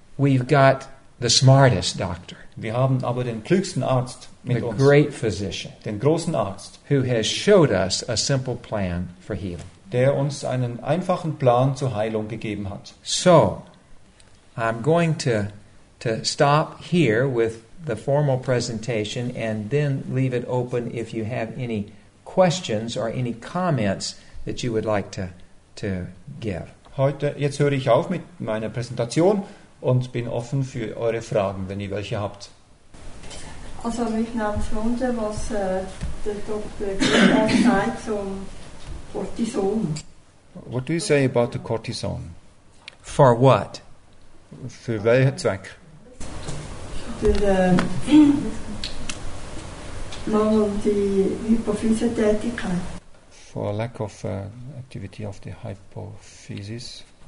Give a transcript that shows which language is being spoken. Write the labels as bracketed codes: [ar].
[en] We've got the smartest doctor. [de] Wir haben aber den klügsten Arzt mit [en] the [de] uns, [en] great physician, [de] den großen Arzt, [en] who has showed us a simple plan for healing, [de] der uns einen einfachen Plan zur Heilung gegeben hat. [en] So, I'm going to stop here with the formal presentation and then leave it open if you have any questions or any comments that you would like to give. [de] Jetzt höre ich auf mit meiner Präsentation und bin offen für eure Fragen, wenn ihr welche habt. Also mich nahm Freunde, was der Dr. Gilmore sagt zum Cortison. [en] What do you say about the cortison? For what? [de] Für welchen Zweck? Für mangelnde Hypophysetätigkeit. [en] For lack of activity of the hypophysis.